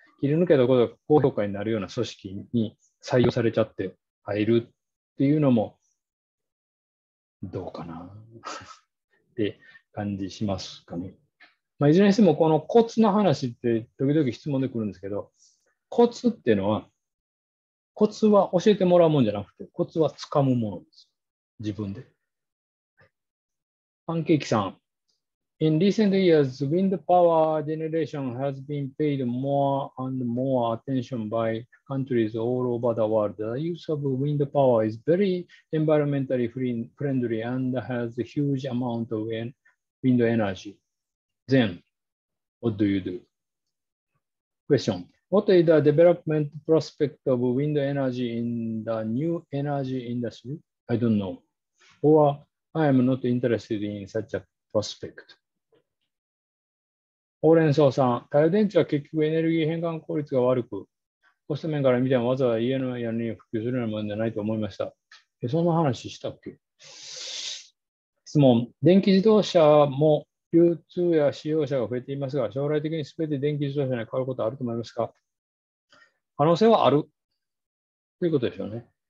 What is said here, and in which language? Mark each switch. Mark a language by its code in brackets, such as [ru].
[ja] 切り抜けたことが高評価になるような組織に採用されちゃって入るっていうのもどうかなって感じしますかね。まあ、いずれにしてもこのコツの話って時々質問で来るんですけど、コツっていうのは、コツは教えてもらうもんじゃなくて、コツは掴むものです。自分で。パンケーキさん。 [en] In recent years, wind power generation has been paid more and more attention by countries all over the world. The use of wind power is very environmentally friendly and has a huge amount of wind energy. Then, what do you do? Question. What is the development prospect of wind energy in the new energy industry? I don't know. Or I am not interested in such a prospect. [ja] ほうれん草さん、太陽電池は結局エネルギー変換効率が悪く、コスト面から見てもわざわざ家の屋根に普及するようなものではないと思いました。そんな話したっけ？質問、電気自動車も流通や使用者が増えていますが、将来的に全て電気自動車に変わることはあると思いますか？可能性はある。ということでしょうね。